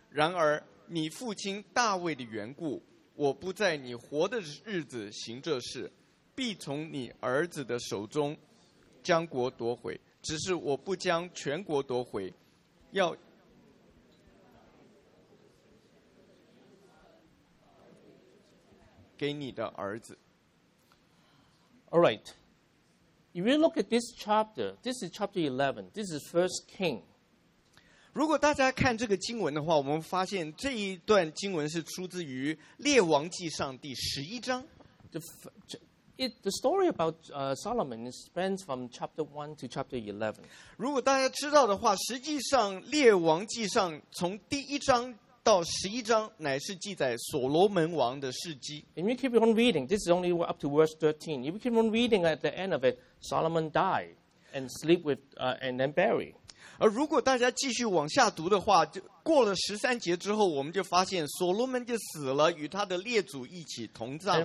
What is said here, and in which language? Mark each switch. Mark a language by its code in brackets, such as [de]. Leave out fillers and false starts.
[zh] 然而你父亲大卫的缘故，我不在你活的日子行这事，必从你儿子的手中将国夺回，只是我不将全国夺回，要给你的儿子。 [en] All right, if you look at this chapter, this is chapter 11, this is First King. [zh] 如果大家看这个经文的话，我们发现这一段经文是出自于《列王记上》第十一章。 [en] The story about Solomon spans from chapter 1 to chapter 11. [zh] 如果大家知道的话，实际上《列王记上》从第一章到十一章乃是记载所罗门王的事迹。 [en] If you keep on reading, this is only up to verse 13. If you keep on reading at the end of it, Solomon died and sleep with and then buried. [zh] 而如果大家继续往下读的话，就过了十三节之后，我们就发现所罗门就死了，与他的列祖一起同葬了。